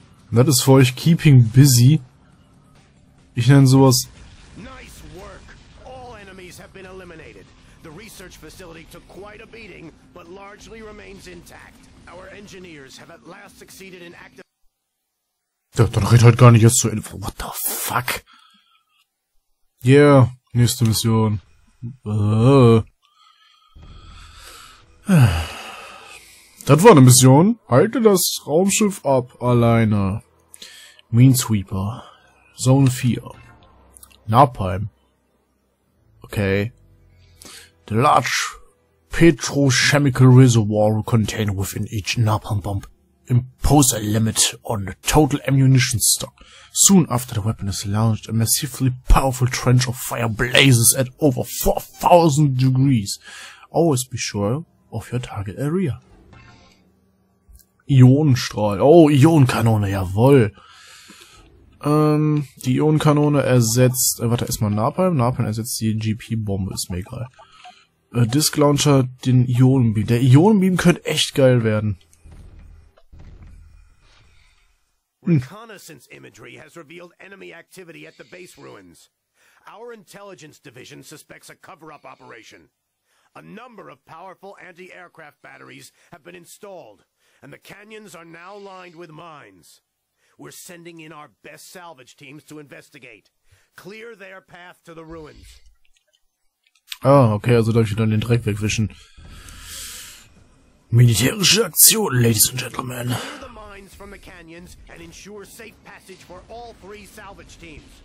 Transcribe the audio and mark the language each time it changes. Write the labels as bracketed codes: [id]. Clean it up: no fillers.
[de] Das ist für euch [en] keeping busy. [de] Ich nenne sowas. [en] Nice work. All enemies have been eliminated. The research facility took quite a beating, but largely remains intact. Our engineers have at last succeeded in active. [de] Ja, dann red halt gar nicht jetzt zu Ende. [en] What the fuck? Yeah, [de] nächste Mission. Das war eine Mission. Halte das Raumschiff ab, alleine. Minesweeper. Zone 4. Napalm. Okay. [en] The large petrochemical reservoir contained within each napalm bomb impose a limit on the total ammunition stock. Soon after the weapon is launched, a massively powerful trench of fire blazes at over 4000 degrees. Always be sure of your target area. [de] Ionenstrahl. Oh, Ionenkanone, jawoll. Die Ionenkanone ersetzt, warte, erstmal Napalm. Napalm ersetzt die GP-Bombe, ist mir egal. Disc Launcher, den Ionenbeam. Der Ionenbeam könnte echt geil werden. [en] Reconnaissance imagery has revealed enemy activity at the base ruins. Our intelligence division suspects a cover-up operation. A number of powerful anti-aircraft batteries have been installed, and the canyons are now lined with mines. We're sending in our best salvage teams to investigate. Clear their path to the ruins. [de] Ah, okay, also darf ich dann den Dreck wegwischen. Militärische Aktion, [en] ladies and gentlemen. From the canyons and ensure safe passage for all three salvage teams.